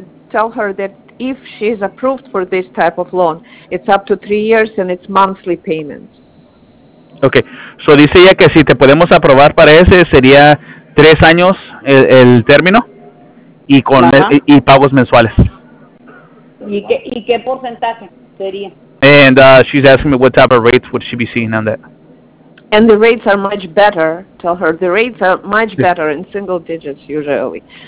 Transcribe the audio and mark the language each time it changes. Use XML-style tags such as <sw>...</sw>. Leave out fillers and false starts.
<en>Tell her that if she is approved for this type of loan, it's up to 3 years and it's monthly payments. Okay.</en> <es>So, dice ella que si te podemos aprobar para ese, sería 3 años el término y con y pagos mensuales. ¿Y qué porcentaje sería?</es> <en>And she's asking me what type of rates would she be seeing on that. And the rates are much better, tell her. The rates are much better in single digits usually.</en>